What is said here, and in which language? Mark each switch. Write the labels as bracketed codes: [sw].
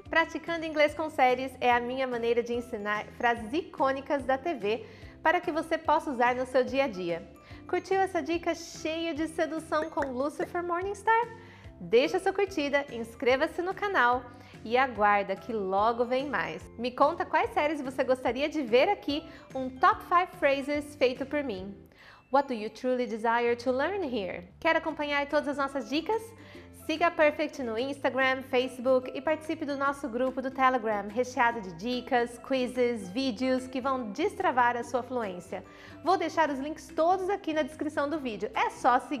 [pt] Praticando Inglês com Séries é a minha maneira de ensinar frases icônicas da TV para que você possa usar no seu dia a dia. Curtiu essa dica cheia de sedução com Lucifer Morningstar? Deixa sua curtida, inscreva-se no canal e aguarda que logo vem mais. Me conta quais séries você gostaria de ver aqui um Top 5 Phrases feito por mim. [en] What do you truly desire to learn here? [pt] Quer acompanhar todas as nossas dicas? Siga a Perfect no Instagram, Facebook e participe do nosso grupo do Telegram, recheado de dicas, quizzes, vídeos que vão destravar a sua fluência. Vou deixar os links todos aqui na descrição do vídeo, é só seguir. [en] Hey! Focus on progress because practice makes